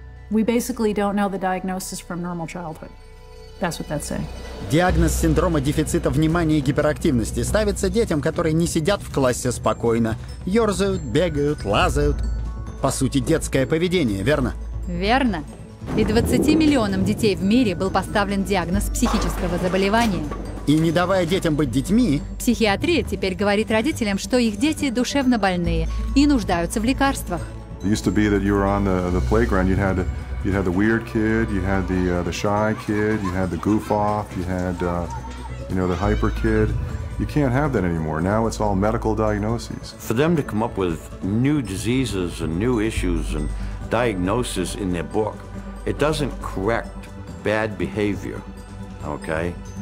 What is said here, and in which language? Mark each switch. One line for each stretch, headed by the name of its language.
English: We basically don't know the diagnosis from normal childhood. That's what that's saying.
Russian: Диагноз синдрома дефицита внимания и гиперактивности ставится детям, которые не сидят в классе спокойно, ерзают, бегают, лазают. По сути, детское поведение, верно? Верно. И 20 миллионам детей в мире был поставлен диагноз психического заболевания. И не давая детям быть детьми... Психиатрия теперь говорит родителям, что их дети душевно больные и нуждаются в лекарствах.
English: It used to be that you were on the playground. You had the weird kid, you had the shy kid, you had the goof off, you had the hyper kid. You can't have that anymore. Now it's all medical diagnoses. For them to come up with new diseases and new issues and diagnosis in their book, it doesn't correct bad behavior. Okay?